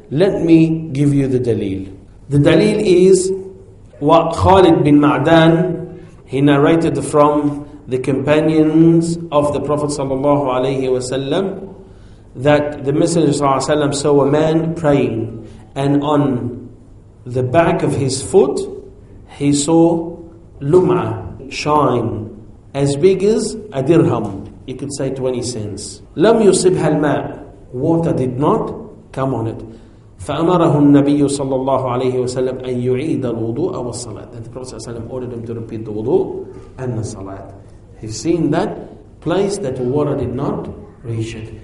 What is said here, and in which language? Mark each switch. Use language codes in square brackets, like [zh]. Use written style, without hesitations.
[en] Let me give you the dalil. The dalil is what Khalid bin Ma'dan, he narrated from the companions of the Prophet sallallahu alayhi wa sallam, that the Messenger sallallahu alayhi wa sallam saw a man praying, and on the back of his foot, he saw lum'ah shine, as big as a dirham, you could say 20 cents. [ar] لم يصبها الماء. [en] Water did not come on it. [ar] فأمره النبي صلى الله عليه وسلم أن يعيد الوضوء والصلاة. [en] And the Prophet ﷺ ordered him to repeat the wudu and the salat. He's seen that place that water did not reach it.